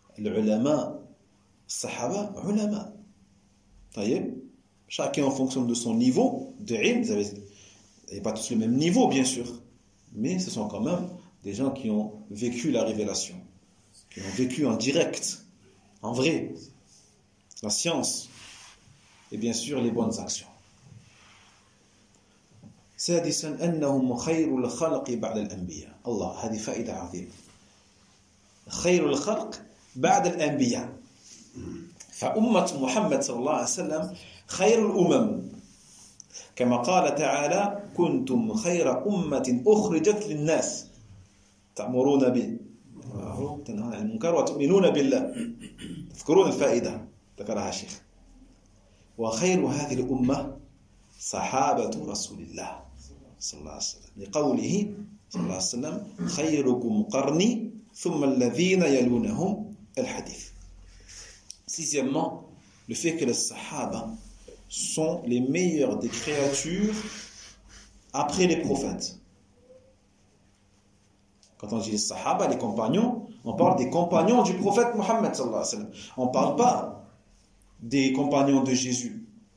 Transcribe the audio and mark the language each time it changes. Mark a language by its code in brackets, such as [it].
[fr] L'ulama, sahaba, ulama. Taïeb, chacun en fonction de son niveau de ilm. Ils n'avaient pas tous le même niveau, bien sûr. Mais ce sont quand même des gens qui ont vécu la révélation. Qui ont vécu en direct, en vrai. La science. Et bien sûr, les bonnes actions. [ar] سادسا انهم خير الخلق بعد الانبياء الله هذه فائده عظيمه خير الخلق بعد الانبياء فامه محمد صلى الله عليه وسلم خير الامم كما قال تعالى كنتم خير امه اخرجت للناس تأمرون بالمعروف وتنهون عن المنكر وتؤمنون بالله تذكرون الفائده ذكرها الشيخ وخير هذه الامه صحابه رسول الله صلى الله عليه وسلم لقوله صلى الله عليه وسلم خيركم قرني ثم الذين يلونهم الحديث. [fr] Sixièmement, le fait que les Sahaba sont les meilleures des créatures après les prophètes. Quand on dit les Sahaba, les compagnons, on parle des compagnons du prophète Mohammed [ar] صلى الله عليه وسلم. [fr] On ne parle pas des compagnons de Jésus.